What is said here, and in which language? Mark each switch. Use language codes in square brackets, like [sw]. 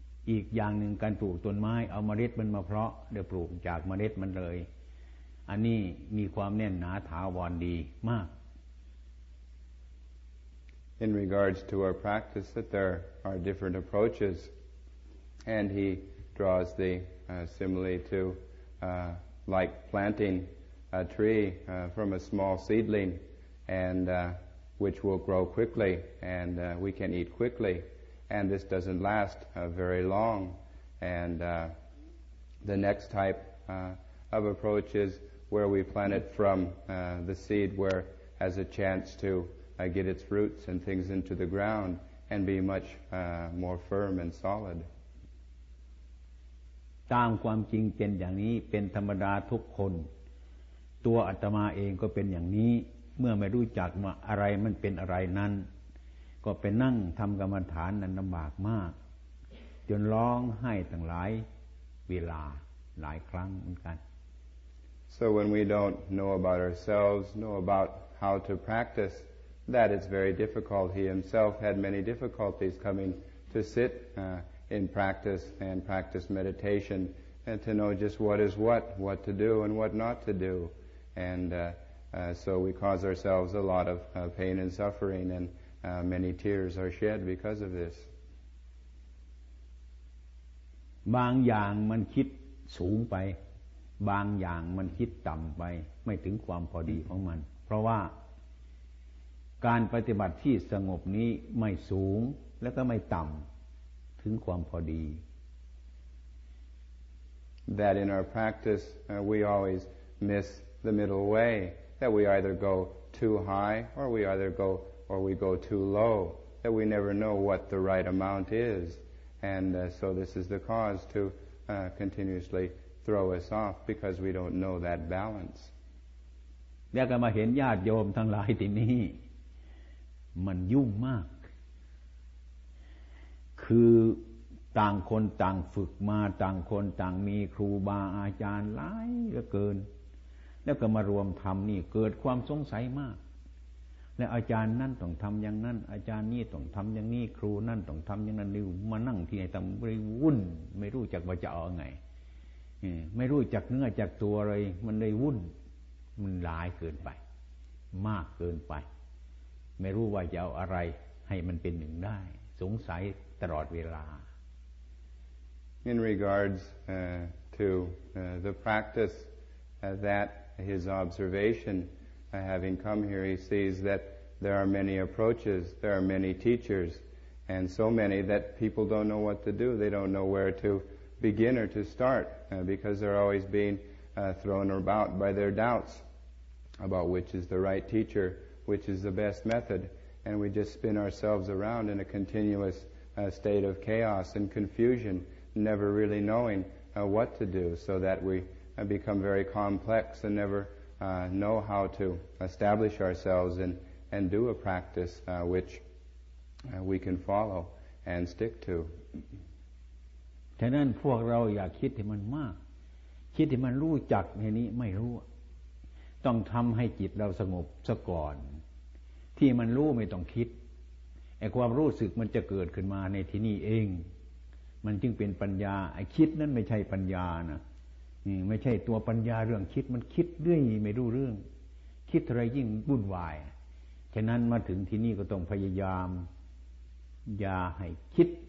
[th] อีกอย่างหนึ่งการปลูกต้นไม้เอาเมล็ดมันมาเพาะเดี๋ยวปลูกจากเมล็ดมันเลยอันนี้มีความแน่นหนาถาวรดีมาก [en] In regards to our practice that there are different approaches and he draws the simile to like planting a tree from a small seedling andwhich will grow quickly and we can eat quickly and this doesn't last very long and the next type of approach is where we plant it from the seed where it has a chance to get its roots and things into the ground and be much more firm and solid [th] ตามความจริงเป็นอย่างนี้เป็นธรรมดาทุกคนตัวอาตมาเองก็เป็นอย่างนี้เมื่อไม่รู้จักว่าอะไรมันเป็นอะไรนั้นก็ไปนั่งทำกรรมฐานนั้นลำบากมากจนร้องไห้ตั้งหลายเวลาหลายครั้งเหมือนกัน [en] So when we don't know about ourselves, know about how to practice, that is very difficult. He himself had many difficulties coming to to sit in practice and practice meditation, and to know just what is what to do and what not to do. And so we cause ourselves a lot of pain and suffering, and many tears are shed because of this. [th] บางอย่างมันคิดสูงไปบางอย่างมันคิดต่ำไปไม่ถึงความพอดีของมันเพราะว่าการปฏิบัติที่สงบนี้ไม่สูงและก็ไม่ต่ำถึงความพอดี [en] That in our practice we always miss the middle way, that we either go too high or we go too low, that we never know what the right amount is, and so this is the cause to continuously throw us off because we don't know that balance. [th] แล้วก็มาเห็นญาติโยมทั้งหลายที่นี่มันยุ่งมากคือต่างคนต่างฝึกมาต่างคนต่างมีครูบาอาจารย์หลายเหลือเกินแล้วก็มารวมธรรมนี่เกิดความสงสัยมากและอาจารย์นั่นต้องทำอย่างนั้นอาจารย์นี่ต้องทำอย่างนี้ครูนั่นต้องทำอย่างนั้นนี่มานั่งที่ไหนทำไปวุ่นไม่รู้จักว่าจะเอาไง ไม่รู้จักเนื้อจักตัวอะไรมันเลยวุ่นมันหลายเกินไปมากเกินไปไม่รู้ว่าจะเอาอะไรให้มันเป็นหนึ่งได้สงสัยตลอดเวลา [en] In regards to the practice that his observation having come here he sees that there are many approaches there are many teachers and so many that people don't know what to do they don't know where to begin or to start because they're always being thrown about by their doubts about which is the right teacherwhich is the best method, and we just spin ourselves around in a continuous state of chaos and confusion, never really knowing what to do, so that we become very complex and never know how to establish ourselves and do a practice which we can follow and stick to. [th] ฉะนั้นพวกเราอย่าคิดให้มันมากคิดให้มันรู้จักในนี้ไม่รู้ต้องทำให้จิตเราสงบซะก่อนที่มันรู้ไม่ต้องคิดไอ้ความรู้สึกมันจะเกิดขึ้นมาในที่นี่เองมันจึงเป็นปัญญาไอ้คิดนั่นไม่ใช่ปัญญานะไม่ใช่ตัวปัญญาเรื่องคิดมันคิดเรื่อยไม่รู้เรื่องคิดอะไรยิ่งวุ่นวายฉะนั้นมาถึงที่นี่ก็ต้องพยายามอย่าให้คิด